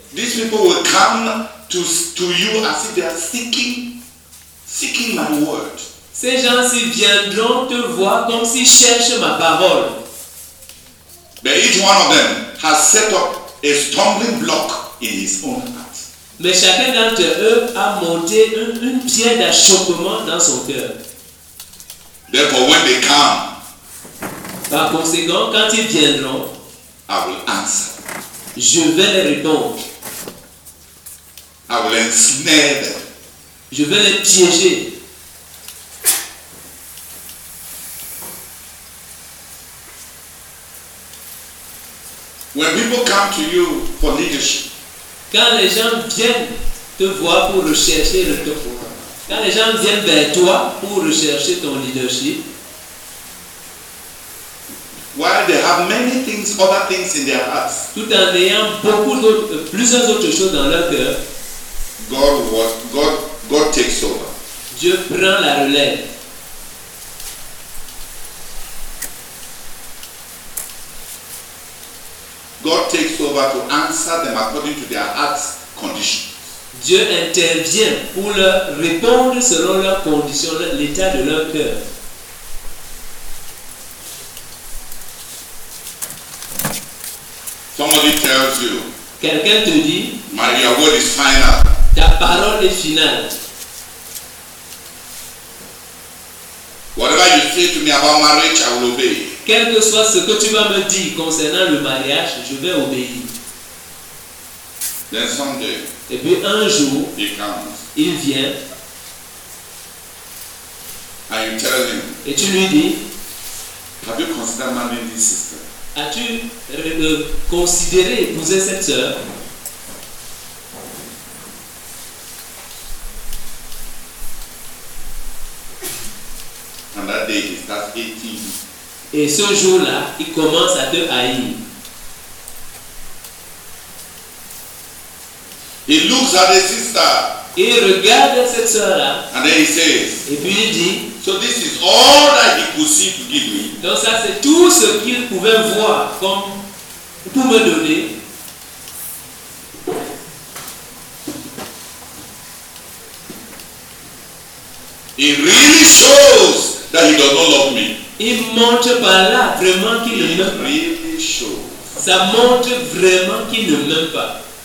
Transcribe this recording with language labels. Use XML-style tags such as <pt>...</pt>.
<en>these people will come to you as if they are seeking my word.</en> <fr>Ces gens-ci viendront te voir comme s'ils cherchent ma parole.</fr> <en>But each one of them has set up a stumbling block in his own heart.</en> <fr>Mais chacun d'entre eux a monté une pierre d'achoppement dans son cœur.</fr> <en>Therefore, when they come,</en> <fr>par conséquent, quand ils viendront,</fr> <en>I will answer.</en> <fr>Je vais les répondre.</fr> <en>I will ensnare them.</en> <fr>Je vais les piéger.</fr> <en>When people come to you for leadership,</en> <fr>quand les gens viennent te voir pour rechercher le top, quand les gens viennent vers toi pour rechercher ton leadership,</fr> <en>while they have many things, other things in their hearts,</en> <fr>tout en ayant beaucoup d'autres, plusieurs autres choses dans leur cœur,</fr> <en>God takes over.</en> <fr>Dieu prend la relève.</fr> <en>God takes over to answer them according to their heart's conditions.</en> <fr>Dieu intervient pour leur répondre selon leurs conditions, l'état de leur cœur.</fr> <en>Somebody tells you.</en> <fr>Quelqu'un te dit.</fr> <en>My word is final.</en> <fr>Ta parole est finale.</fr> <en>Whatever you say to me about marriage, I will obey.</en> <fr>Quel que soit ce que tu vas me dire concernant le mariage, je vais obéir.</fr> <en>Then someday.</en> <fr>Et puis un jour.</fr> <en>He comes.</en> <fr>Il vient.</fr> <en>And you tell him.</en> <fr>Et tu lui dis.</fr> <en>Have you considered marrying this sister?</en> <fr>As-tu considéré épouser cette sœur?</fr> <en>And that day he starts hating.</en> <fr>Et ce jour-là, il commence à te haïr.</fr> <en>He looks at the sister.</en> <fr>Il regarde cette sœur-là.</fr> <en>And then he says.</en> <fr>Et puis il dit.</fr> <en>So this is all that he could see to give me.</en> <fr>Donc ça c'est tout ce qu'il pouvait voir comme pour me donner.</fr> <en>It really shows that he does not love me.</en> <fr>Il montre par là vraiment qu'il ne m'aime pas.</fr> <en>Really shows.</en> <fr>Ça montre vraiment qu'il ne m'aime pas.</fr>